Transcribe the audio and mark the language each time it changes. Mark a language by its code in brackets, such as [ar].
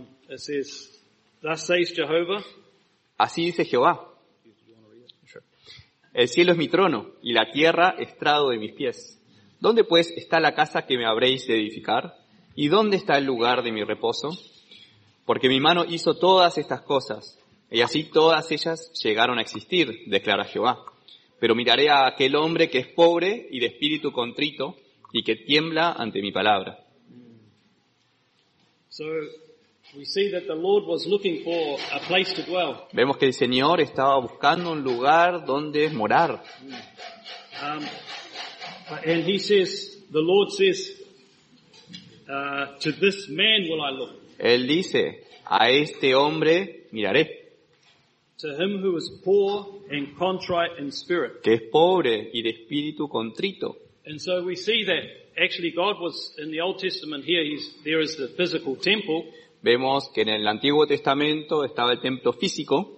[en] It says, "Thus says Jehovah." [es] Así dice Jehová. El cielo es mi trono y la tierra estrado de mis pies. ¿Dónde pues está la casa que me habréis de edificar? ¿Y dónde está el lugar de mi reposo? Porque mi mano hizo todas estas cosas, y así todas ellas llegaron a existir, declara Jehová. Pero miraré a aquel hombre que es pobre y de espíritu contrito y que tiembla ante mi palabra. [en] So we see that the Lord was looking for a place to dwell. [es] Vemos que el Señor estaba buscando un lugar donde morar. [en] And he says, the Lord says, to this man will I look. [es] Él dice, a este hombre miraré. [en] To him who is poor and contrite in spirit. [es] Que es pobre y de espíritu contrito. [en] And so we see that actually God was in the Old Testament here. There is the physical temple. [es] Vemos que en el Antiguo Testamento estaba el templo físico.